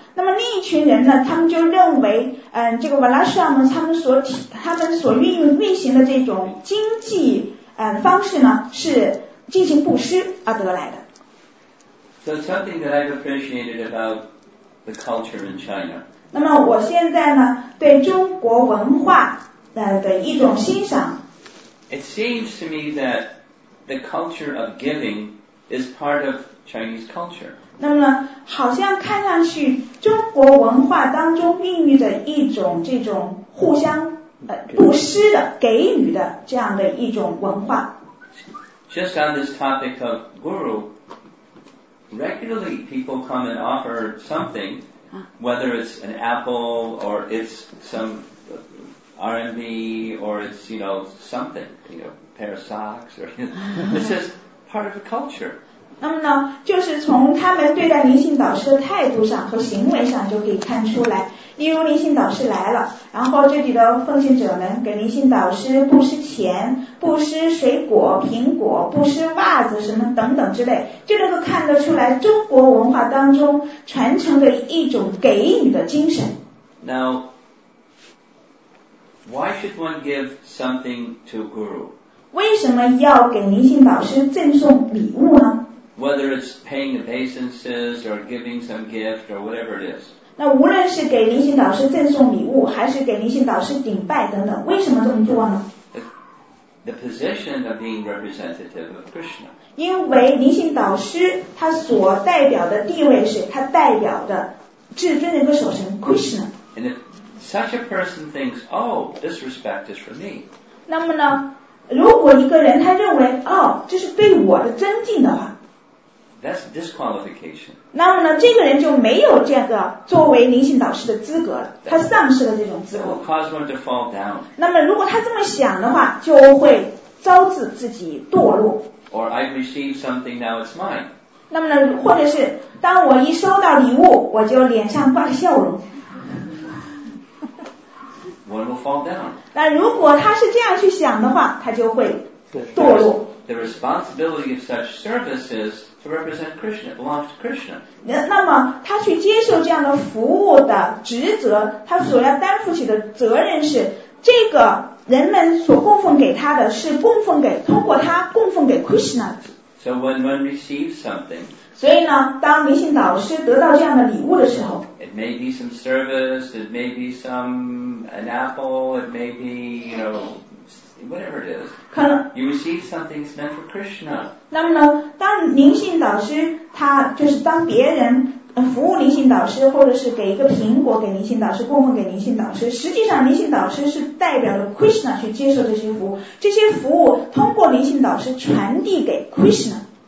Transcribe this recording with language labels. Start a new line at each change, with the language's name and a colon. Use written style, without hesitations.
Chinese: 那么另一群人呢他们就认为这个 Varnashram 他们所运行的这种经济方式呢是进行布施而得来的。
English: So something that I've appreciated about the culture in China.
Chinese: 那么我现在呢对中国文化的一种欣赏。
English: It seems to me that the culture of giving is part of Chinese culture.
Chinese: 那么好像看上去中国文化当中孕育的一种这种互相布施的给予的这样的一种文化。
English: Just on this topic of guru, regularly people come and offer something, whether it's an apple or it's some RMB or it's, you know, something, you know, a pair of socks or, it's just part of the culture.
Chinese: 那么呢，就是从他们对待灵性导师的态度上和行为上就可以看出来。例如灵性导师来了，然后这里的奉献者们给灵性导师布施钱、布施水果、苹果、布施袜子什么等等之类，就能够看得出来中国文化当中传承的一种给予的精神。
English: Now why should one give something to guru?
Chinese: 为什么要给灵性导师赠送礼物呢？
English: Whether it's paying obeisances or giving some gift or whatever it is.
Chinese: 那无论是给灵性导师赠送礼物，还是给灵性导师顶拜等等，为什么这么做呢？
English: The position of being representative of Krishna.
Chinese: 因为灵性导师他所代表的地位是他代表的至尊的一个守神 Krishna.
English: And if such a person thinks, oh, this respect is for me.
Chinese: 那么呢，如果一个人他认为，哦，这是对我的尊敬的话，
English: That's disqualification.
Chinese: 那么呢，这个人就没有这个作为灵性导师的资格了，他丧失了这种资格。
English: That will cause one to fall down.
Chinese: 那么如果他这么想的话，就会招致自己堕落。
English: Or I've received something, now it's mine.
Chinese: 那么呢，或者是当我一收到礼物，我就脸上挂着笑容。
English: One will fall down.
Chinese: 那如果他是这样去想的话，他就会堕落。
English: The responsibility of such services. To represent Krishna, it belongs to Krishna.
Chinese: 那么他去接受这样的服务的职责，他所要担负起的责任是，这个人们所供奉给他的是供奉给，通过他供奉给 Krishna。
English: So when one receives something,
Chinese: 所以呢，当灵性导师得到这样的礼物的时候
English: ，It may be some service, it may be some an apple, it may be you know. Whatever it is, you receive something that's meant for Krishna.
Chinese: 那么呢，当灵性导师他就是当别人服务灵性导师，或者是给一个苹果给灵性导师，供奉给灵性导师，实际上灵性导师是代表了 Krishna 去接受这些服务，这些服务通过灵性导师传递给 Krishna.